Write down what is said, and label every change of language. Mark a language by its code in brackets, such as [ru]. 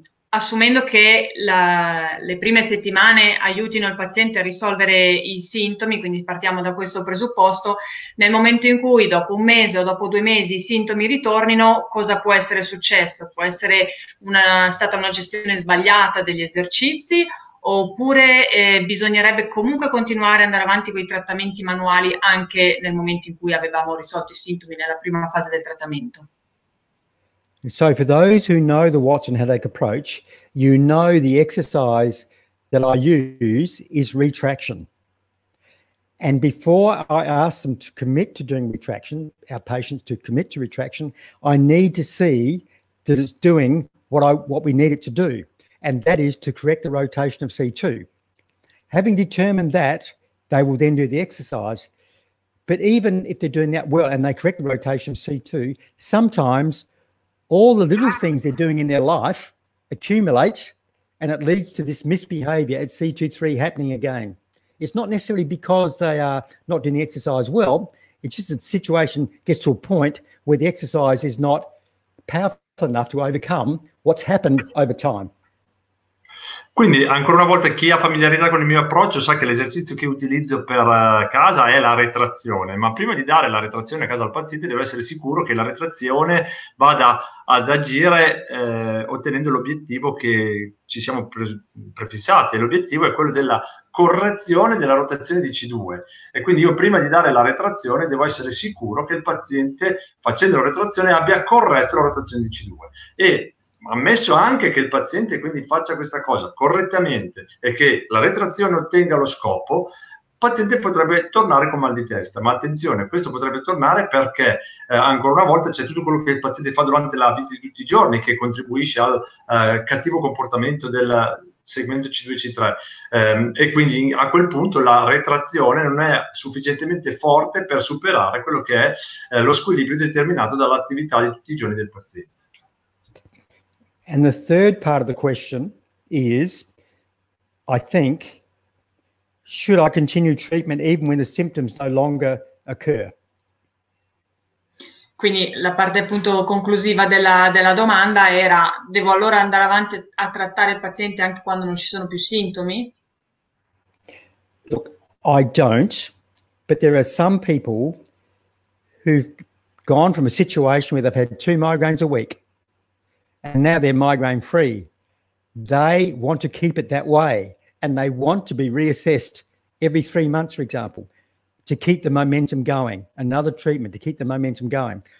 [it] Assumendo che le prime settimane aiutino il paziente a risolvere i sintomi, quindi partiamo da questo presupposto, nel momento in cui dopo un mese o dopo 2 mesi i sintomi ritornino, cosa può essere successo? Può essere stata una gestione sbagliata degli esercizi, oppure bisognerebbe comunque continuare ad andare avanti con i trattamenti manuali anche nel momento in cui avevamo risolto i sintomi nella prima fase del trattamento? [en] So for those who know the Watson headache approach, you know the exercise that I use is retraction. And before I ask them to commit to doing retraction, our patients to commit to retraction, I need to see that it's doing what we need it to do. And that is to correct the rotation of C2. Having determined that, they will then do the exercise. But even if they're doing that well and they correct the rotation of C2, sometimes all the little things they're doing in their life accumulate and it leads to this misbehavior at C2-3 happening again. It's not necessarily because they are not doing the exercise well, it's just the situation gets to a point where the exercise is not powerful enough to overcome what's happened over time. [it] Quindi, ancora una volta, chi ha familiarità con il mio approccio sa che l'esercizio che utilizzo per casa è la retrazione, ma prima di dare la retrazione a casa al paziente devo essere sicuro che la retrazione vada ad agire ottenendo l'obiettivo che ci siamo prefissati. L'obiettivo è quello della correzione della rotazione di C2. E quindi io prima di dare la retrazione devo essere sicuro che il paziente, facendo la retrazione, abbia corretto la rotazione di C2. E ammesso anche che il paziente quindi faccia questa cosa correttamente e che la retrazione ottenga lo scopo, il paziente potrebbe tornare con mal di testa. Ma attenzione, questo potrebbe tornare perché ancora una volta c'è tutto quello che il paziente fa durante la vita di tutti i giorni che contribuisce al cattivo comportamento del segmento C2-C3. E quindi a quel punto la retrazione non è sufficientemente forte per superare quello che è lo squilibrio determinato dall'attività di tutti i giorni del paziente. [en] And the third part of the question is, I think, should I continue treatment even when the symptoms no longer occur? [it] Quindi la parte appunto conclusiva della domanda era, devo allora andare avanti a trattare il paziente anche quando non ci sono più sintomi? [en] Look, I don't, but there are some people who've gone from a situation where they've had 2 migraines a week and now they're migraine free. They want to keep it that way and they want to be reassessed every 3 months, for example, to keep the momentum going, another treatment to keep the momentum going.